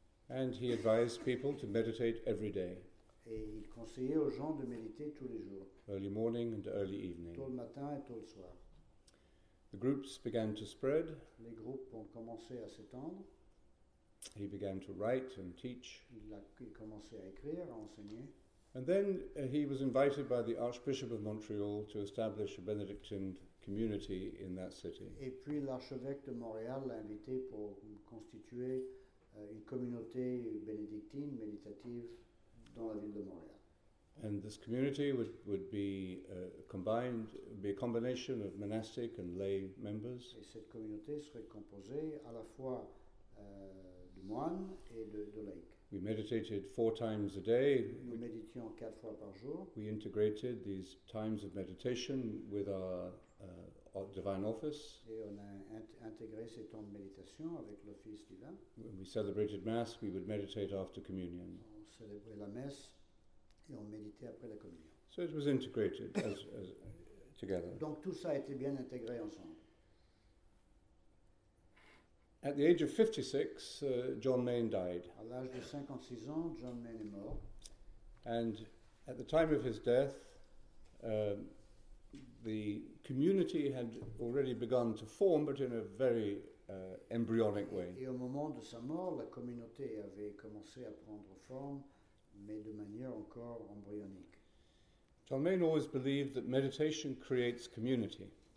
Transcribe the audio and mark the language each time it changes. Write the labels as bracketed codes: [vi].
[en] And he advised people to meditate every day. [fr] Et il conseillait aux gens de méditer tous les jours. [en] Early morning and early evening. [fr] Tôt le matin et tôt le soir. [en] The groups began to spread. [fr] Les groupes ont commencé à s'étendre. [en] He began to write and teach. [fr] Il commençait à écrire, à enseigner. [en] And then he was invited by the Archbishop of Montreal to establish a Benedictine community in that city. [fr] Et puis l'archevêque de Montréal l'a invité pour constituer une communauté bénédictine méditative dans la ville de Montréal. [en] And this community would be combined, be a combination of monastic and lay members. [fr] Et cette communauté serait composée à la fois de moines et de laïcs. [en] We meditated four times a day. [fr] Nous méditions quatre fois par jour. [en] We integrated these times of meditation with our divine office. [fr] Et on a intégré ces temps de méditation avec l'office divin. [en] When we celebrated Mass, we would meditate after communion. [fr] On célébrait la messe. Et on méditait après la communion. [en] So it was integrated as together. [fr] Donc tout ça a été bien intégré ensemble. [en] At the age of 56, John Mayne died. [fr] À l'âge de 56 ans, John Mayne est mort. [en] And at the time of his death, the community had already begun to form, but in a very embryonic way. [fr] Et au moment de sa mort, la communauté avait commencé à prendre forme, mais de manière encore embryonique. [en] John Mayne always believed that meditation creates community.